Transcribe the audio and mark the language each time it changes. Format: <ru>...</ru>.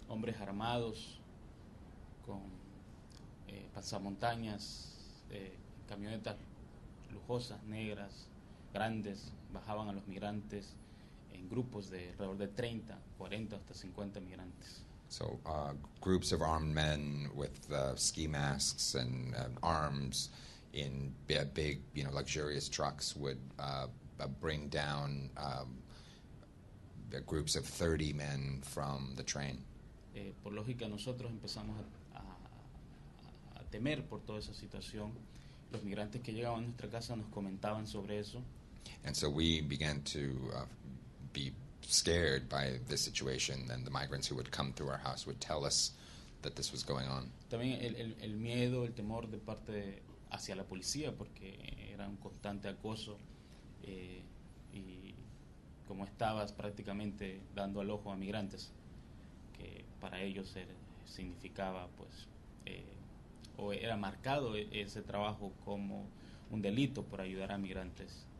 <es>Hombres armados con pasamontañas, camionetas lujosas, negras, grandes, bajaban a los migrantes en grupos de alrededor de 30, 40 hasta 50 migrantes.</es> <en>So groups of armed men with ski masks and arms in big, you know, luxurious trucks would bring down the groups of 30 men from the train.</en> <es>Por lógica, nosotros empezamos a temer por toda esa situación. Los migrantes que llegaban a nuestra casa nos comentaban sobre eso.</es> <en>And so we began to be scared by this situation, and the migrants who would come through our house would tell us that this was going on.</en> <es>También el miedo, el temor de parte hacia la policía, porque era un constante acoso, y como estabas prácticamente dando al ojo a migrantes, que para ellos significaba, pues, o era marcado ese trabajo como un delito por ayudar a migrantes</es>